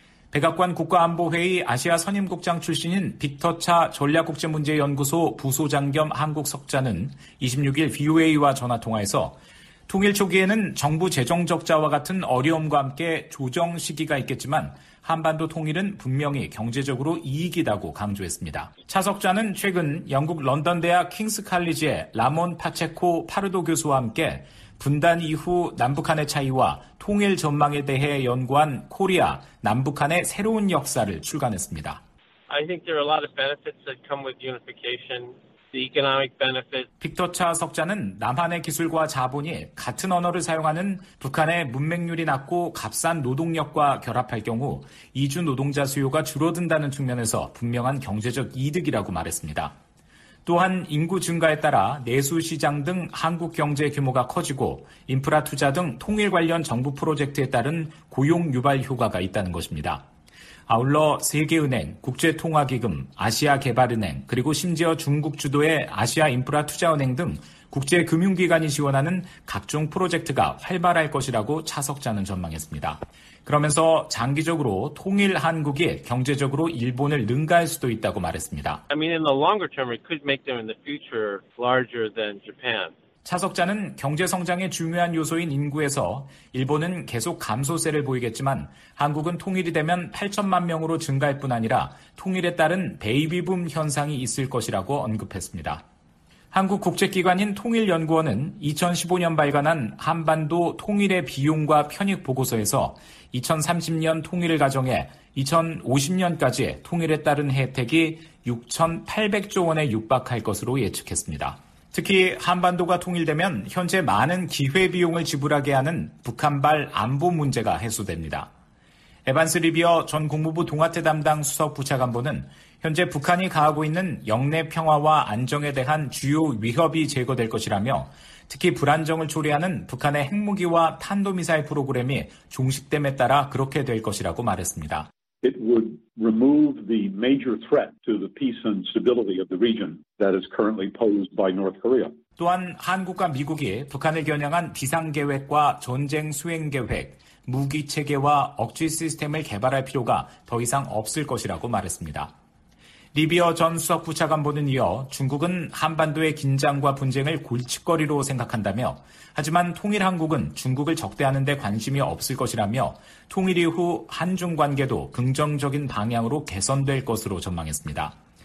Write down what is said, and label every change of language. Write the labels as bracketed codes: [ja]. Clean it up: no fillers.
[ko] 백악관 국가안보회의 아시아 선임국장 출신인 빅터 차 전략국제문제연구소 부소장 겸 한국석좌는 26일 VOA와 전화통화에서 통일 초기에는 정부 재정적자와 같은 어려움과 함께 조정 시기가 있겠지만 한반도 통일은 분명히 경제적으로 이익이라고 강조했습니다. 차석자는 최근 영국 런던대학 킹스칼리지의 라몬 파체코 파르도 교수와 함께 분단 이후 남북한의 차이와 통일 전망에 대해 연구한 코리아 남북한의 새로운 역사를 출간했습니다. [en] I think there are a lot of benefits that come with unification. The economic benefit. [ko] 빅터 차 석자는 남한의 기술과 자본이 같은 언어를 사용하는 북한의 문맹률이 낮고 값싼 노동력과 결합할 경우 이주 노동자 수요가 줄어든다는 측면에서 분명한 경제적 이득이라고 말했습니다. 또한 인구 증가에 따라 내수시장 등 한국 경제 규모가 커지고 인프라 투자 등 통일 관련 정부 프로젝트에 따른 고용 유발 효과가 있다는 것입니다. 아울러 세계은행, 국제통화기금, 아시아개발은행, 그리고 심지어 중국 주도의 아시아인프라투자은행 등 국제금융기관이 지원하는 각종 프로젝트가 활발할 것이라고 차석자는 전망했습니다. 그러면서 장기적으로 통일 한국이 경제적으로 일본을 능가할 수도 있다고 말했습니다. [en] I mean, in the longer term, it could make them in the future larger than Japan. [ko] 차석자는 경제성장의 중요한 요소인 인구에서 일본은 계속 감소세를 보이겠지만 한국은 통일이 되면 8천만 명으로 증가할 뿐 아니라 통일에 따른 베이비붐 현상이 있을 것이라고 언급했습니다. 한국 국제기관인 통일연구원은 2015년 발간한 한반도 통일의 비용과 편익 보고서에서 2030년 통일을 가정해 2050년까지 통일에 따른 혜택이 6,800조 원에 육박할 것으로 예측했습니다. 특히 한반도가 통일되면 현재 많은 기회비용을 지불하게 하는 북한발 안보 문제가 해소됩니다. 에반스 리비어 전 국무부 동아태 담당 수석부차관보는 현재 북한이 가하고 있는 영내 평화와 안정에 대한 주요 위협이 제거될 것이라며 특히 불안정을 초래하는 북한의 핵무기와 탄도미사일 프로그램이 종식됨에 따라 그렇게 될 것이라고 말했습니다. [en] It would remove the major threat to the peace and stability of the region that is currently posed by North Korea. [ko] 또한 한국과 미국이 북한을 겨냥한 비상계획과 전쟁 수행계획, 무기체계와 억지 시스템을 개발할 필요가 더 이상 없을 것이라고 말했습니다. 리비어 전 수석 부차관보는 이어 중국은 한반도의 긴장과 분쟁을 골칫거리로 생각한다며 하지만 통일 한국은 중국을 적대하는 데 관심이 없을 것이라며 통일 이후 한중 관계도 긍정적인 방향으로 개선될 것으로 전망했습니다.